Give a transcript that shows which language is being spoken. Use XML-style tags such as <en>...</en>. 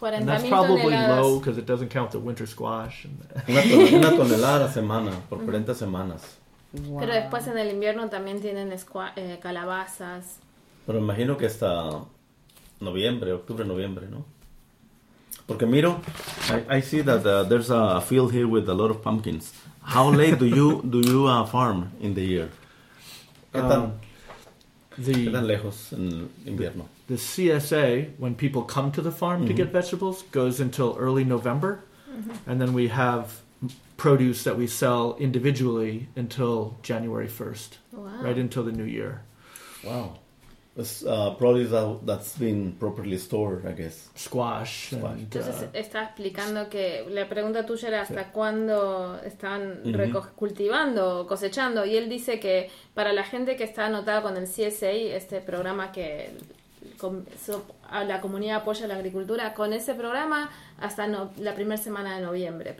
<en>And that's probably low because it doesn't count the winter squash.</en> <es>Una tonelada a semana por 40 semanas. Wow. Pero después en el invierno también tienen calabazas. Pero imagino que hasta octubre, noviembre, ¿no? Porque miro,</es> <en>I see that there's a field here with a lot of pumpkins. How late do you farm in the year?</en> <es>¿Qué tan lejos en invierno?</es> <en>The CSA, when people come to the farm, mm-hmm, to get vegetables, goes until early November. Mm-hmm. And then we have produce that we sell individually until January 1st, wow, right until the new year. Wow. It's produce that's been properly stored, I guess. Squash.</en> <es>Entonces está explicando que la pregunta tuya era hasta, sí, cuándo estaban, mm-hmm, cultivando, cosechando. Y él dice que para la gente que está anotada con el CSA, este programa que la comunidad apoya la agricultura, con ese programa hasta la primera semana de noviembre.</es>